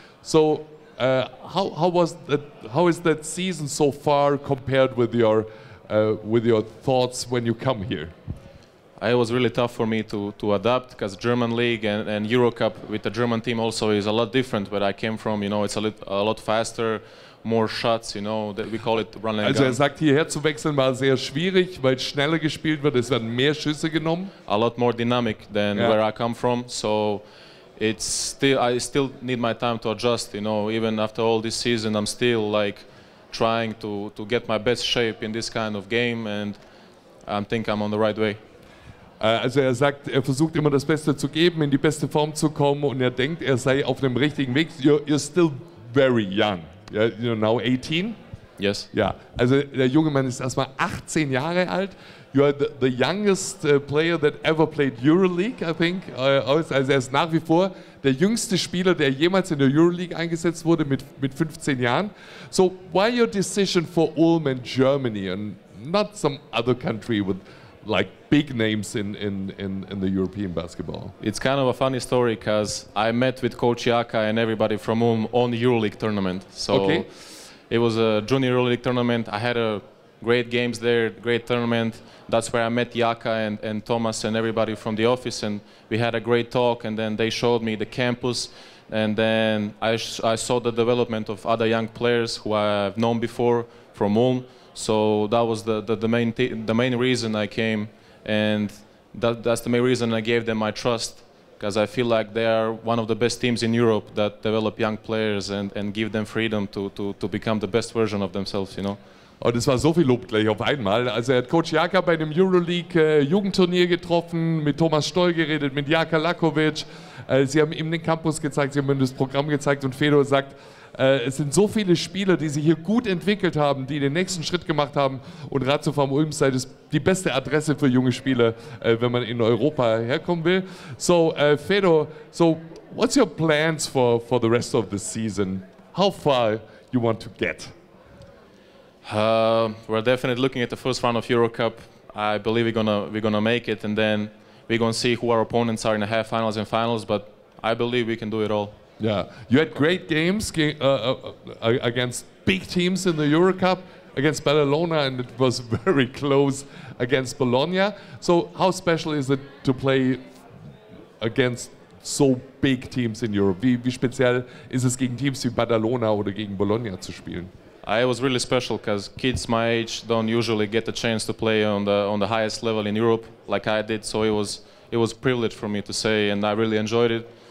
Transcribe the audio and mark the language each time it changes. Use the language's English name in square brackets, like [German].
[English] So how is that season so far compared with your thoughts when you come here? It was really tough for me to adapt because German league and EuroCup with the German team also is a lot different where I came from. You know, it's a lot faster. More shots, you know, that we call it run and gun. [German] Also er sagt, hierher zu wechseln war sehr schwierig, weil schneller gespielt wird, es werden mehr Schüsse genommen. [English] A lot more dynamic than where I come from, so I still need my time to adjust, you know, even after all this season I'm still like trying to get my best shape in this kind of game and I think I'm on the right way. [German] Also er sagt, er versucht immer das Beste zu geben, in die beste Form zu kommen und er denkt, er sei auf dem richtigen Weg. [English] You're still very young. Yeah, you know, now 18? Yes. [German] Ja, also der junge Mann ist erstmal 18 Jahre alt. [English] You are the youngest player that ever played EuroLeague, I think. [German] Also er ist nach wie vor der jüngste Spieler, der jemals in der EuroLeague eingesetzt wurde mit 15 Jahren. [English] So, why your decision for Ulm and Germany and not some other country with like big names in the European basketball? It's kind of a funny story because I met with Coach Jaka and everybody from Ulm on the EuroLeague tournament. So okay. It was a junior EuroLeague tournament. I had a great games there, great tournament. That's where I met Jaka and Thomas and everybody from the office, and we had a great talk, and then they showed me the campus, and then I saw the development of other young players who I've known before from Ulm. So that was the main reason I came, and that's the main reason I gave them my trust, because I feel like they are one of the best teams in Europe that develop young players and give them freedom to become the best version of themselves, you know. [German] Und es war so viel Lob gleich auf einmal. Also er hat Coach Jaka bei einem EuroLeague-Jugendturnier getroffen, mit Thomas Stoll geredet, mit Jaka Lakovic. Sie haben ihm den Campus gezeigt, sie haben ihm das Programm gezeigt und Fedor sagt, es sind so viele Spieler, die sich hier gut entwickelt haben, die den nächsten Schritt gemacht haben und Ratiopharm Ulm sei das die beste Adresse für junge Spieler, wenn man in Europa herkommen will. [English] So, Fedor, so what's your plans for the rest of the season? How far you want to get? We're definitely looking at the first round of Euro Cup. I believe we're gonna make it, and then we're gonna see who our opponents are in the half finals and finals. But I believe we can do it all. Yeah, you had great games against big teams in the Euro Cup, against Barcelona, and it was very close against Bologna. So how special is it to play against so big teams in Europe? [German] Wie speziell ist es gegen Teams wie Barcelona oder gegen Bologna zu spielen? [English] It was really special because kids my age don't usually get the chance to play on the highest level in Europe like I did. So it was a privilege for me to say, and I really enjoyed it.